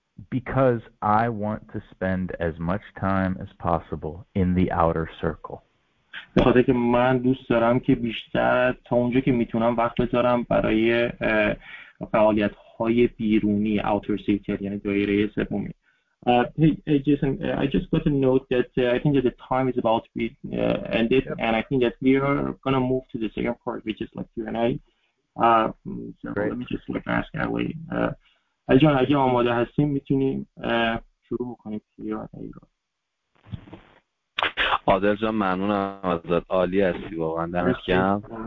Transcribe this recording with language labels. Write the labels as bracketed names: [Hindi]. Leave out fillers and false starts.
[English] Because I want to spend as much time as possible in the outer circle. [Persian] بخاطر که من دوست دارم که بیشتر تا اونجا که میتونم وقت بذارم برای فعالیت های بیرونی outer circle یعنی دایره سومی. [English] Jason, I just got a note that I think that the time is about to be ended yep. And I think that we are going to move to the second part which is like Q&A. Let me just look ask that way. [Persian] John, اگه آماده هستیم میتونیم شروع کنیم Q&A رو. آدر جان ممنونم ازت، عالی هستی واقعا، دمت گرم.